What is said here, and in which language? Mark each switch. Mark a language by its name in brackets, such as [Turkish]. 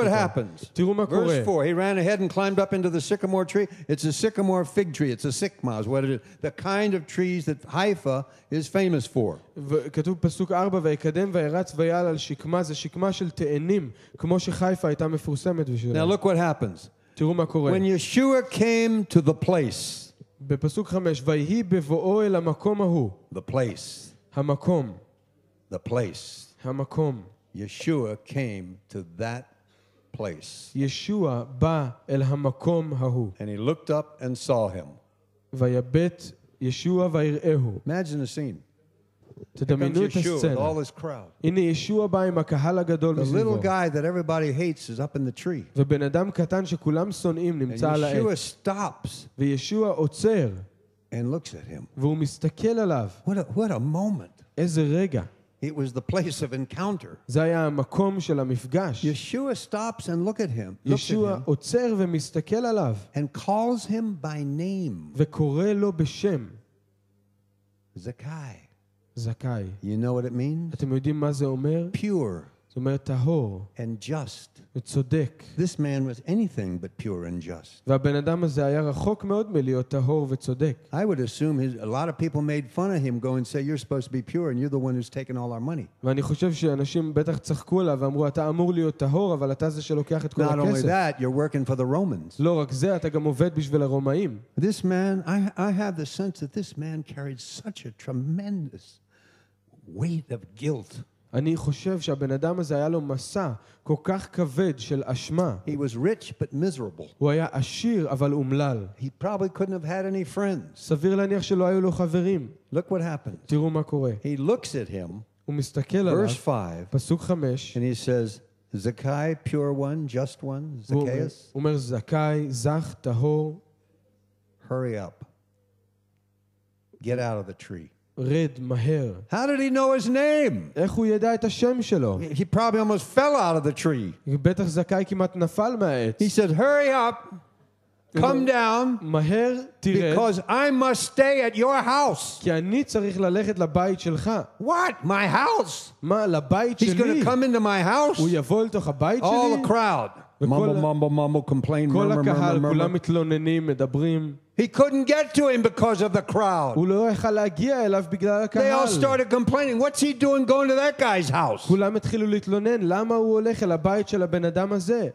[English] So look what happens. [Hebrew] תראו מה קורה. [English] Verse 4, he ran ahead and climbed up into the sycamore tree. It's a sycamore fig tree. It's a sycamore, is what it is. The kind of trees that Haifa is famous for. [Hebrew] וכתוב פסוק 4 ויקדם וירץ ויעל על שקמה, זה שקמה של תאנים, כמו שחיפה הייתה מפורסמת בשבילה. [English] Now look what happens. When Yeshua came to the place. [Hebrew] בפסוק 5 ויהי בבואו אל המקום ההוא. [English] The place. [Hebrew] המקום. [English] The place. [Hebrew] המקום. [English] Yeshua came to that place. [Hebrew] ישוע בא אל המקום ההוא. [English] And he looked up and saw him. [Hebrew] ויבט ישוע ויראהו. [English] Imagine the scene. [Hebrew] תדמיינו את הסצנה. [English] All this crowd. [Hebrew] הנה ישוע בא עם הקהל הגדול מסביבו. [English] The little guy that everybody hates is up in the tree. [Hebrew] ובן אדם קטן שכולם שונאים נמצא על העץ. [English] And Yeshua stops. [Hebrew] וישוע עוצר. [English] And looks at him. [Hebrew] והוא מסתכל עליו. [English] What a moment. [Hebrew] איזה רגע. [English] It was the place of encounter. [Hebrew] זה היה המקום של המפגש. [English] Yeshua stops and look at him. [Hebrew] ישוע עוצר ומסתכל עליו. [English] And calls him by name. [Hebrew] וקורא לו בשם. [English] Zakai. [Hebrew] Zakai. [English] You know what it means? [Hebrew] אתם יודעים מה זה אומר? [English] Pure. [Hebrew] זה אומר טהור. [English] And just. [Hebrew] וצודק. [English] This man was anything but pure and just. [Hebrew] והבן אדם הזה היה רחוק מאוד מלהיות טהור וצודק. [English] I would assume a lot of people made fun of him, go and say, you're supposed to be pure and you're the one who's taken all our money. [Hebrew] ואני חושב שאנשים בטח צחקו עליו ואמרו, אתה אמור להיות טהור, אבל אתה זה שלוקח את כל הכסף. [English] Not only that, you're working for the Romans. [Hebrew] לא רק זה, אתה גם עובד בשביל הרומאים. [English] This man, I have the sense that this man carried such a tremendous weight of guilt. [Hebrew] אני חושב שהבן אדם הזה היה לו מסע כל כך כבד של אשמה. [English] He was rich but miserable. [Hebrew] הוא היה עשיר אבל אומלל. [English] He probably couldn't have had any friends. [Hebrew] סביר להניח שלא היו לו חברים. [English] Look what happened. [Hebrew] תראו מה קורה. [English] He looks at him. [Hebrew] הוא מסתכל עליו. [English] Verse 5. [Hebrew] פסוק 5. [English] And he says, Zakai, pure one, just one, Zacchaeus. [Hebrew] הוא אומר, זכאי, זך, טהור. [English] Hurry up. Get out of the tree. [Hebrew] רד מהר. [English] How did he know his name? [Hebrew] איך הוא ידע את השם שלו? [English] He probably almost fell out of the tree. [Hebrew] בטח זכאי כמעט נפל מהעץ. [English] He said, "Hurry up. Come down. [Hebrew] מהר תרד. [English] Because I must stay at your house." [Hebrew] כי אני צריך ללכת לבית שלך. [English] What? My house? [Hebrew] מה, לבית [English] He's [Hebrew] שלי? [English] He's going to come into my house? [Hebrew] הוא יבוא לתוך הבית [English] All [Hebrew] שלי? [English] All the crowd. Mumble, mumble, mumble, complain, murmur, murmur, murmur. [Hebrew] כל הקהל, כולם מתלוננים, מדברים. [English] He couldn't get to him because of the crowd. [Hebrew] הוא לא יכל להגיע אליו בגלל הקהל. [English] They all started complaining. What's he doing going to that guy's house? [Hebrew] כולם התחילו להתלונן. למה הוא הולך אל הבית של הבן אדם הזה?